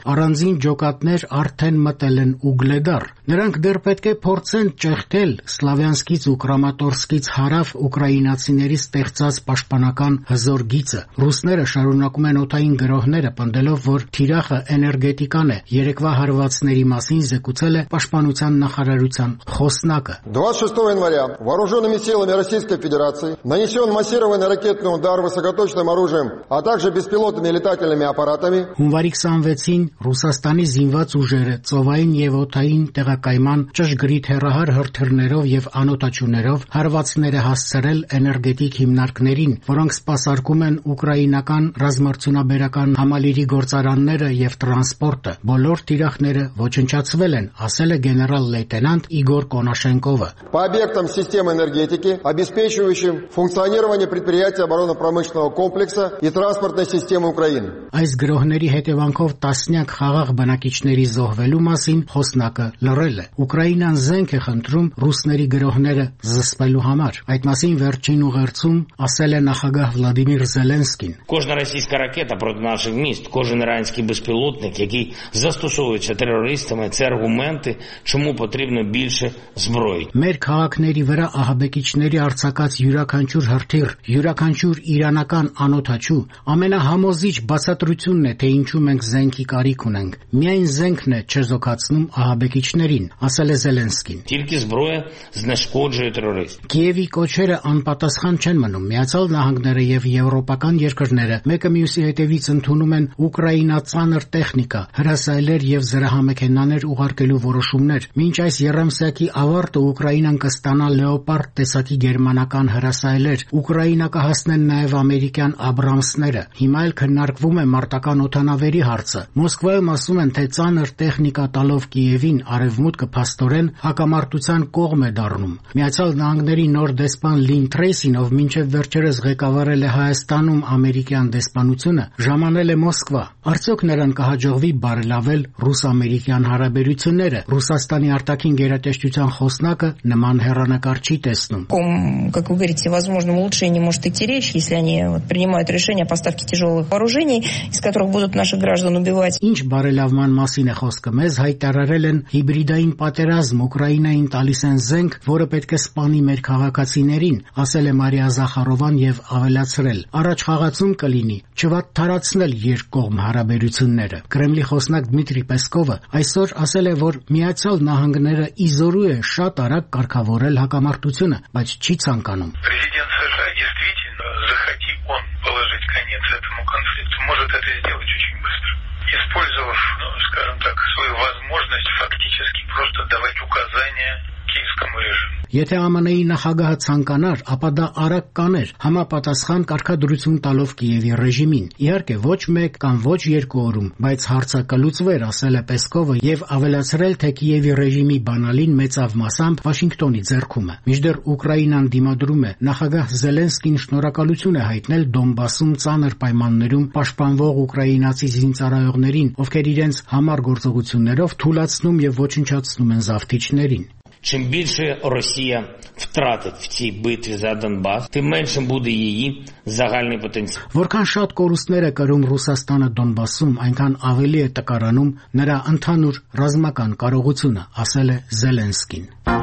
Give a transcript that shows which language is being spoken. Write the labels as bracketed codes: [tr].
[hy] առանձին ջոկատներ արդեն մտել են Ուգլեդար։ Նրանք դեռ պետք է փորձեն ճեղքել Սլավյանսկից ու Կրամատորսկից հարավ ուկրաինացիների ստեղծած պաշտպանական հզոր գիծը։ Ռուսները շարունակում են օթային գրոհները, պնդելով, որ Թիրախը էներգետիկան է, երեկվա հարվածների մասին զեկուցել է պաշտպանության նախարարության խոսնակը։ [ru] 26 января вооружёнными силами Российской Федерации нанесён массированный ракетный удар высокоточным оружием, а также беспилотными летательными аппаратами. [hy] Հունվարի 26-ին Ռուսաստանի զինված ուժերը ծովային և օթային տեղակայման ճշգրիտ հեռահար հրթիռներով և անոթաչուներով հարվածներ է հասցրել էներգետիկ հիմնարկներին, որոնք սպասարկում են ուկրաինական ռազմարդյունաբերական համալիրի գործարանները և տրանսպորտը։ Բոլոր տիրախները ոչնչացվել են, ասել է գեներալ լեյտենանտ Իգոր Կոնաշենկովը։ [ru] По объектам системы энергетики, обеспечивающим функционирование предприятий оборонно-промышленного комплекса и транспортной системы Украины. [hy] Այս գրոհների հետևանքով տասնյակ խաղաղ բնակիչների զոհվելու մասին խոսնակը լրել է։ Ուկրաինան զենք է խնդրում ռուսների գրոհները զսպելու համար։ Այդ մասին վերջին ուղերձում ասել է նախագահ Վլադիմիր Զելենսկին. [uk] Кожна російська ракета проти наших міст, кожен іранський безпілотник, який застосовується терористами, це аргументи, чому потрібно більше зброї. [hy] Մեր քաղաքների վրա ահաբեկիչների արձակած յուրաքանչյուր հրթիռ, յուրաքանչյուր իրանական անոթաչու ամենահամոզիչ բացատրությունն է, թե ինչու մենք զենքի կարիք ունենք։ Միայն զենքն է չզոհացնում ահաբեկիչներին, ասել է Զելենսկին։ [uk] Тільки зброя знешкоджує терористів. [hy] Կիևի կոչերը անպատասխան չեն մնում։ Միացյալ Նահանգները եւ եվրոպական երկրները մեկը մյուսի հետևից ընդունում են Ուկրաինա ցանր տեխնիկա, հրասայլեր եւ զրահամեքենաներ ուղարկելու որոշումներ։ Մինչ այս Երամսյակի ավարտը Ուկրաինան կստանա Լեոպարդ տեսակի գերմանական հրասայլեր, Ուկրաինա կհասնեն նաեւ ամերիկյան Աբրամսները։ Հիմա էլ քննարկվում է մարտական օթանավերի հարցը։ Մոսկվայում ասում են, թե ցանր տեխնիկա տալով Կիևին արևմուտքը փաստորեն հակամարտության կողմ է դառնում։ Միացյալ Նահանգների նոր դեսպան Լին Թրեյսին, ով մինչև վերջերս ղեկավարել է Հայաստանում ամերիկյան դեսպանությունը, ժամանել է Մոսկվա։ Արդյոք նրան կհաջողվի բարելավել ռուս-ամերիկյան հարաբերությունները։ Ռուսաստանի արտաքին գերատեսչության խոսնակը նման հեռանկար չի տեսնում։ [ru] Ком, как вы говорите, возможно, улучшение может идти речь, если они вот принимают решение о поставке тяжёлых вооружений, из которых будут наших граждан убивать. [hy] Ինչ բարելավման մասին է խոսքը, մեզ հայտարարել են հիբրիդային պատերազմ Ուկրաինային տալիս են զենք, որը պետք է սպանի մեր քաղաքացիներին, ասել է Մարիա Զախարովան եւ ավելացրել։ Առաջ խաղացում կլինի չվատթարացնել երկկողմ հարաբերությունները։ Կրեմլի խոսնակ Դմիտրի Պեսկովը այսօր ասել է, որ Միացյալ Նահանգները իզորու է շատ արագ կարգավորել հակամարտությունը, բայց չի ցանկանում։ Պրեզիդենտը [ru] положить конец этому конфликту, может это сделать очень быстро, использовав, ну, скажем так, свою возможность фактически просто давать указания киевскому режиму. [hy] Եթե ԱՄՆ-ի նախագահը ցանկանար, ապա դա արագ կաներ համապատասխան կարգադրություն տալով Կիևի ռեժիմին։ Իհարկե, ոչ մեկ կամ ոչ երկու օրում, բայց հարցը կլուծվեր, ասել է Պեսկովը, եւ ավելացրել, թե Կիևի ռեժիմի բանալին մեծավ մասամբ Վաշինգտոնի ձեռքում է։ Մինչդեռ Ուկրաինան դիմադրում է, նախագահ Զելենսկին շնորհակալություն է հայտնել Դոնբասում ծանր պայմաններում պաշտպանվող ուկրաինացի զինծառայողներին, ովքեր իրենց համար գործողություններով թուլացնում եւ ոչնչացնում են զավթիչներին։ [uk] Чим більше Росія втратить в цій битві за Донбас, тим меншим буде її загальний потенціал. [hy] Որքան շատ կորուստներ է կրում Ռուսաստանը Դոնբասում, այնքան ավելի է տկարանում նրա ընդհանուր ռազմական կարողությունը, ասել է Զելենսկին։